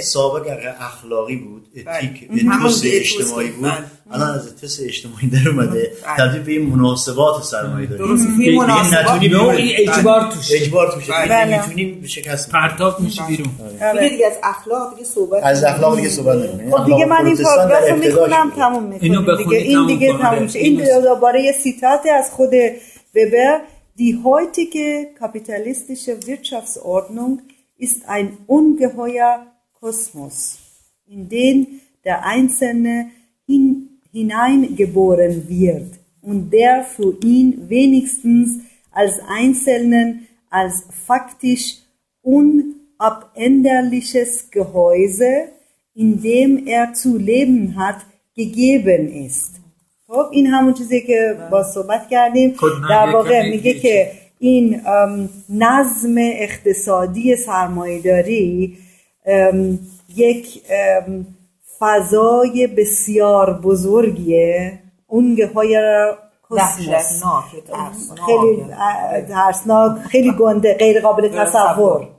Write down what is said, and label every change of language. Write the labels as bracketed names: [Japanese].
[Persian] سابق اخلاقی بود، اتیک، اتوس اجتماعی بود، الان از اتوس اجتماعی در اومده تبدیل به این مناسبات سرمایه داری. مناسبات به اون این اجبار توشه، اجبار توشه، نمیتونیم شکست پرتاب میشه بیرون. دیگه از اخلاق دیگه صحبت، از اخلاق دیگه صحبت نمیم. دیگه من این پاراگراف رو میخونم تموم میکنم، این دیگه تموم میشه. این دوباره یه سیتات از خود وبر: [German] دی هویتیگه کاپیتالیستیشه ویرتشافتس اوردنونگ ist ein ungeheuer Kosmos, in den der Einzelne hineingeboren wird und der für ihn wenigstens als Einzelnen als faktisch unabänderliches Gehäuse, in dem er zu leben hat, gegeben ist. [Persian] خب این همون چیزی که با صحبت کردیم در واقع میگه که این نظم اقتصادی سرمایه‌داری یک فضای بسیار بزرگیه، اونگهای کسموس، خیلی ترسناک، خیلی گنده، غیر قابل تصور.